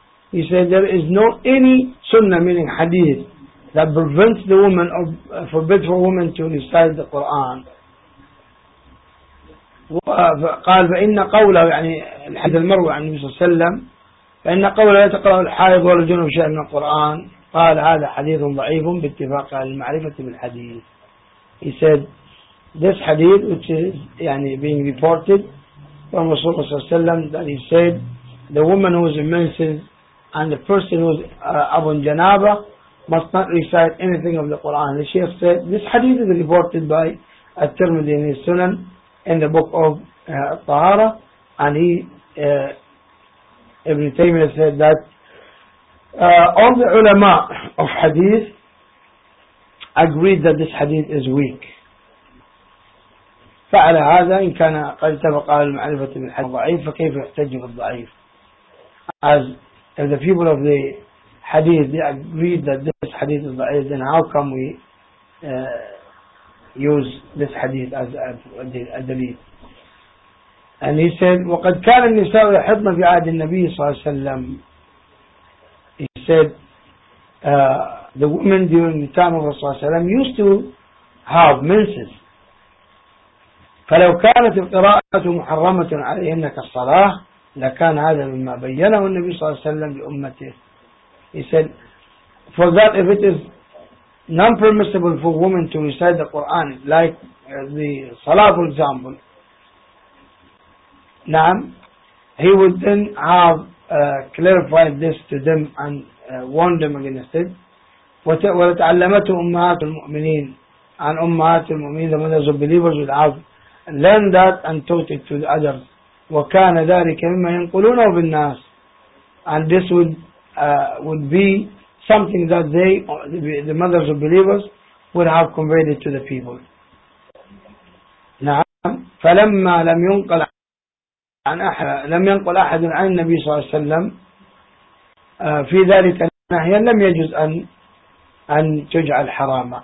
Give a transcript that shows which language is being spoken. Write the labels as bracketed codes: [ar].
[en] He said there is no any sunnah meaning hadith that prevents the woman or forbid for women to recite the Quran. [ar] قال فإن قوله يعني الحديث المروي عن النبي صلى الله عليه وسلم فإن قوله لا تقرأ الحائض ولا الجنب شيئا من القرآن قال هذا حديث ضعيف باتفاق المعرفة بالحديث. [en] He said this hadith which is يعني being reported from [ar] رسول الله صلى الله عليه وسلم [en] that he said the woman who is immense and the person who is Abu Janaba must not recite anything of the Quran. The Sheikh said this hadith is reported by At-Tirmidhi in his Sunan in the book of Tahara and he Ibn Taymiyyah said that all the ulama of hadith agreed that this hadith is weak. [ar] فعلى هذا إن كان قد اتفق على المعرفة من الحديث الضعيف فكيف يحتج بالضعيف. [en] As if the people of the hadith they agreed that this hadith is ضعيف then how come we use this hadith as a dalil. And he said [ar] وقد كان النساء يحضن في عهد النبي صلى الله عليه وسلم. [en] He said the women during the time of Rasulullah [ar] صلى الله عليه وسلم [en] used to have menses. [ar] فلو كانت القراءة محرمة عليهن كالصلاة لكان هذا مما بينه النبي صلى الله عليه وسلم لأمته. [en] He said for that if it is non permissible for women to recite the Quran like the Salah for example, نعم, he would then have clarified this to them and warned them against it. [ar] وتعلمته أمهات المؤمنين عن أمهات المؤمنين [en] the mothers of believers would have learn that and taught it to the others. [ar] وكان ذلك مما ينقلونه بالناس. [en] And this would be something that they, the mothers of believers, would have conveyed it to the people. نعم. فلما لم ينقل عن أحد عن النبي صلى الله عليه وسلم في ذلك النهي لم يجوز أن تجعل حراما.